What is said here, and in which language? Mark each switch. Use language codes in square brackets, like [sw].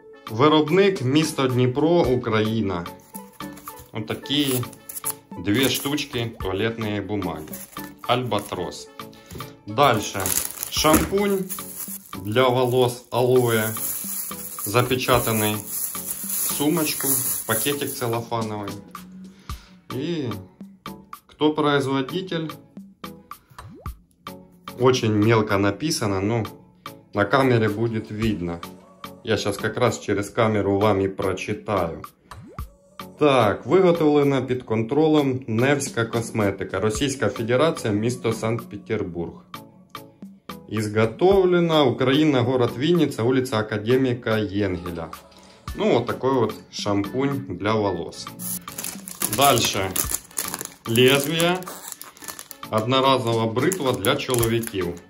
[uk] Виробник — місто Дніпро, Україна. [ru] Вот такие две штучки туалетные бумаги. Альбатрос. Дальше. Шампунь для волос алоэ. Запечатанный. Сумочку. Пакетик целлофановый. И кто производитель? Очень мелко написано, но на камере будет видно. Я сейчас как раз через камеру вам и прочитаю. [uk] Так, виготовлено під контролем Невська косметика, Російська Федерація, місто Санкт-Петербург. [ru] Изготовлено Україна, город Вінниця, улица Академіка Єнгеля. Ну, вот такой вот шампунь для волос. Дальше. Лезвие. Одноразовая бритва [uk] для чоловіків.